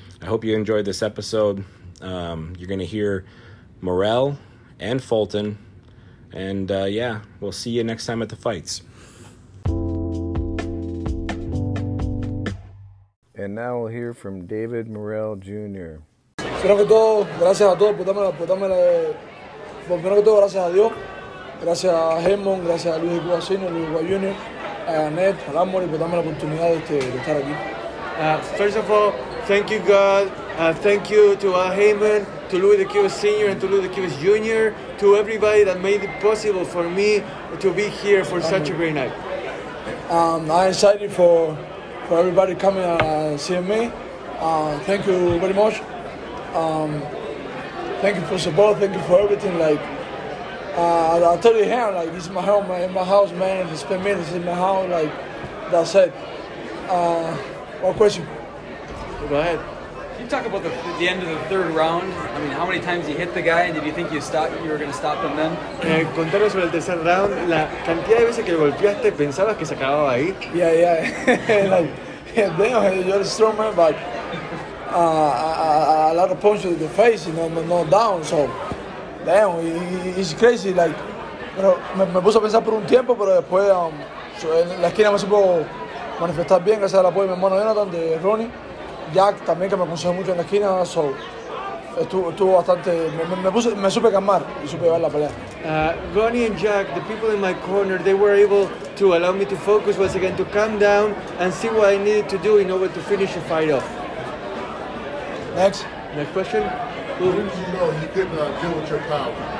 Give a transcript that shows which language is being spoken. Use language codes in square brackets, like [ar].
[en] I hope you enjoyed this episode. You're going to hear Morrell and Fulton. And yeah, we'll see you next time at the fights. And now we'll hear from David Morrell Jr. [es] Primero que todo, gracias a todos por darme primero que todo, gracias a Dios. Gracias a Hermon, gracias a Luis Guasino, Luis Guas Jr., a Anet, a Armory por darme la oportunidad de estar aquí. [en] First of all, thank you God. Thank you to Heyman, to Louis the Cubist Senior, and to Louis the Cubist Junior, to everybody that made it possible for me to be here for such a great night. I'm excited for everybody coming and seeing me. Thank you very much. Thank you for support. Thank you for everything. Like I tell you here, like this is my home, man. My house, man. If it's been minutes in my house, like that's it. One question. Go ahead. Can you talk about the end of the third round? I mean, how many times you hit the guy, and did you think you were going to stop him then? [es] Contanos sobre el tercer round. La cantidad de veces que golpeaste, pensabas que se acababa ahí. [en] Yeah, yeah. Like, yeah, damn, you're a strong man, but a lot of punches in the face, you know, no down. So, damn, it's crazy. [es] Like, pero me puse a pensar por un tiempo, pero después en la esquina me supo manifestar bien gracias al apoyo de mi hermano Jonathan de Ronnie. Jack también que me aconsejó mucho en la esquina, so estuvo bastante, me supe calmar y supe llevar la pelea. [en] Ronnie and Jack, the people in my corner, they were able to allow me to focus once again, to calm down and see what I needed to do in order to finish the fight off. Next question. Who did you know he didn't deal with your power?